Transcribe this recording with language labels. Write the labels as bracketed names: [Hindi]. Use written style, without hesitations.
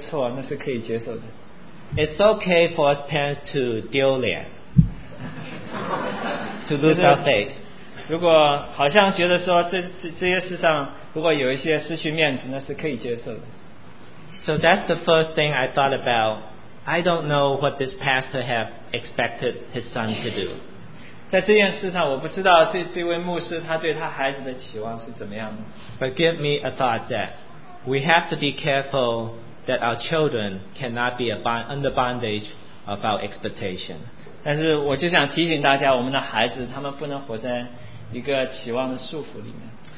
[Chinese] 当他们钢琴表演的时候，他们出了一个错，那是可以接受的。It's [English] okay for us parents to [Chinese] 丢脸 [English] to lose our face. [Chinese] 如果好像觉得说这些事上，如果有一些失去面子，那是可以接受的。 [English] So that's the first thing I thought about I don't know what this pastor had expected his son to do. [Chinese] 在这件事上, 我不知道这位牧师他对他孩子的期望是怎么样的。 [English] But give me a thought that we have to be careful that our children cannot be under bondage of our expectation. [Chinese] 但是我就想提醒大家, 我们的孩子, 他们不能活在一个期望的束缚里面。